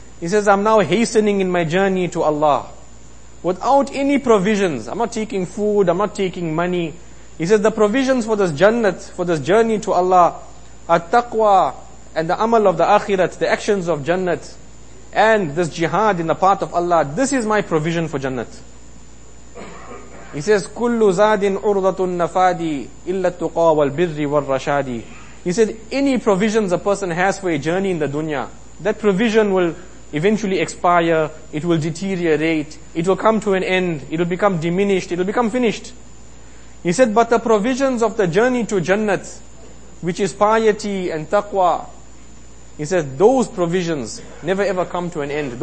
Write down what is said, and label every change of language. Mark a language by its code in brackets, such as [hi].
[en] He says, I'm now hastening in my journey to Allah without any provisions. I'm not taking food, I'm not taking money. He says, the provisions for this jannat, for this journey to Allah, are taqwa and the amal of the akhirat, the actions of jannat, and this jihad in the path of Allah. This is my provision for Jannat. He says, [ar] كُلُّ زَادٍ عُرْضَةٌ نَفَادِي إِلَّا تُقَى وَالْبِرِّ وَالْرَشَادِ. [en] He said, any provisions a person has for a journey in the dunya, that provision will eventually expire, it will deteriorate, it will come to an end, it will become diminished, it will become finished. He said, but the provisions of the journey to Jannat, which is piety and taqwa, he says, those provisions never ever come to an end.